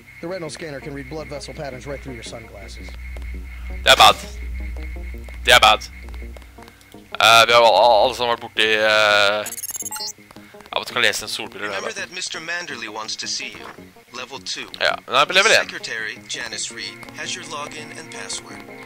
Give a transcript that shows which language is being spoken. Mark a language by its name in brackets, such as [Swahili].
[English] The retinal scanner can read blood vessel patterns right through your sunglasses. [Norwegian] Det er bad. Det er bad. Vi har alle som har vært borte i... Jeg vet ikke om jeg kan lese en solbrille her. [English] Remember that Mr. Manderly wants to see you. Level 2. [Norwegian] Ja, men da er jeg på level 1. [English] Secretary Janice Reed has your login and password.